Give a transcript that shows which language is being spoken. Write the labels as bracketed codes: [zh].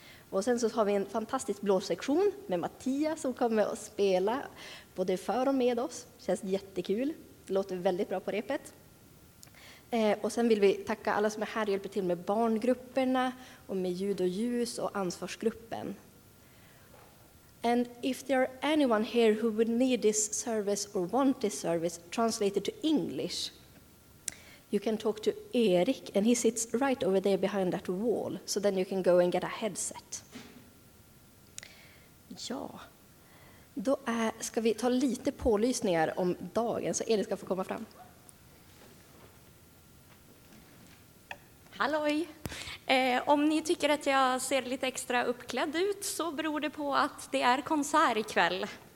[sv] Och sen så har vi en fantastisk blåsektion med Mattias som kommer att spela både för och med oss. Det känns jättekul. Det låter väldigt bra på repet. Och sen vill vi tacka alla som är här och hjälper till med barngrupperna och med ljud och ljus och ansvarsgruppen. [en] And if there are anyone here who would need this service or want this service translated to English, you can talk to Erik and he sits right over there behind that wall, so then you can go and get a headset. [sv] Ja, då ska vi ta lite pålysningar om dagen så Erik ska få komma fram. Halloj! Om ni tycker att jag ser lite extra uppklädd ut så beror det på att det är konsert ikväll.